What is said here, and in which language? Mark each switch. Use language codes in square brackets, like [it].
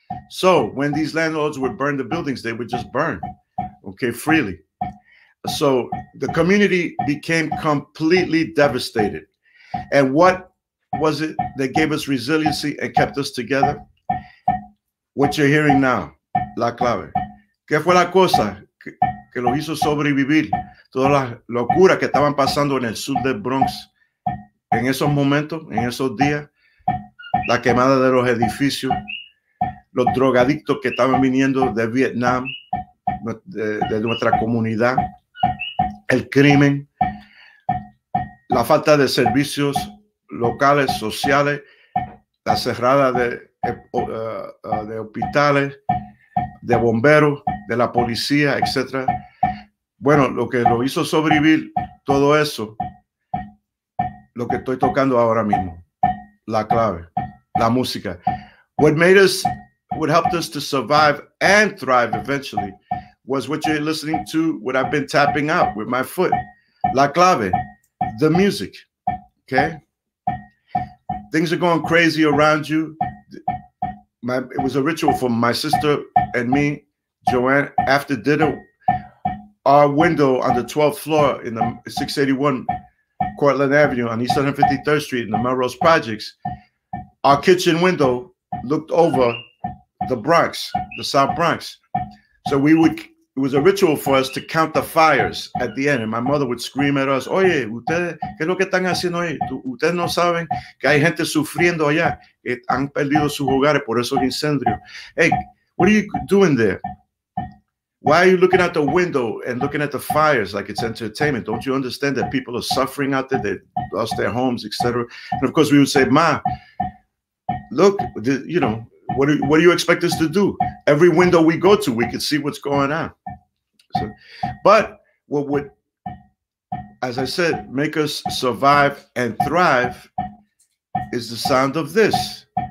[en] So when these landlords would burn the buildings, they would just burn, okay, freely. So the community became completely devastated. And what was it that gave us resiliency and kept us together? What you're hearing now, la clave. [es] ¿Qué fue la cosa que lo hizo sobrevivir toda la locura que estaban pasando en el sur del Bronx en esos momentos, en esos días? La quemada de los edificios, los drogadictos que estaban viniendo de Vietnam, de nuestra comunidad, el crimen, la falta de servicios locales, sociales, la cerrada de hospitales, de bomberos, de la policía, etc. Bueno, lo que lo hizo sobrevivir todo eso, lo que estoy tocando ahora mismo, la clave. la música. [en] What made us, what helped us to survive and thrive eventually was what you're listening to, what I've been tapping out with my foot. La clave, the music, okay? Things are going crazy around you. It was a ritual for my sister and me, Joanne, after dinner. Our window on the 12th floor in the 681 Cortland Avenue on East 153rd Street in the Melrose Projects, our kitchen window looked over the Bronx, the South Bronx. So we would, it was a ritual for us to count the fires at the end. And my mother would scream at us, [es] oye, ustedes, ¿qué es lo que están haciendo ahí? Ustedes no saben que hay gente sufriendo allá. Que han perdido sus hogares por esos incendios. [en] Hey, what are you doing there? Why are you looking out the window and looking at the fires like it's entertainment? Don't you understand that people are suffering out there? They lost their homes, etc. And of course, we would say, Ma, look, you know, what do you expect us to do? Every window we go to, we can see what's going on. So, but what would, as I said, make us survive and thrive is the sound of this.